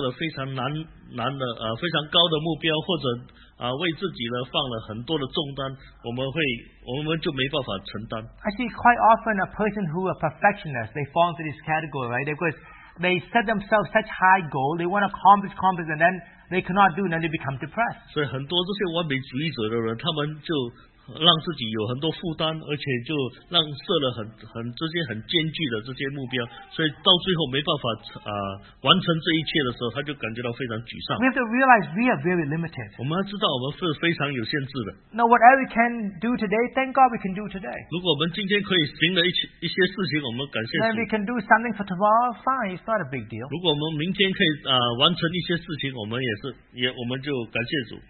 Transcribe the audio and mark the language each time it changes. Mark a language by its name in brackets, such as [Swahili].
[Chinese] 所以，如果我们有对自己设了非常高的目标，或者 为自己呢放了很多的重担，我们就没办法承担。 [English] Actually, quite often a person who are perfectionists, they fall into this category, right? Because they set themselves such high goal, they want to accomplish, and then they cannot do, and then they become depressed. [Chinese] 所以很多这些完美主义者的人，他们就让自己有很多负担，而且就设了很艰巨的这些目标，所以到最后没办法完成这一切的时候，他就感觉到非常沮丧。 [English] We have to realize we are very limited. [Chinese] 我们要知道我们是非常有限制的。 [English] Now whatever we can do today, thank God we can do today. [Chinese] 如果我们今天可以行的一些事情，我们感谢主。 [English] Then we can do something for tomorrow, fine, it's not a big deal. [Chinese] 如果我们明天可以完成一些事情，我们就感谢主。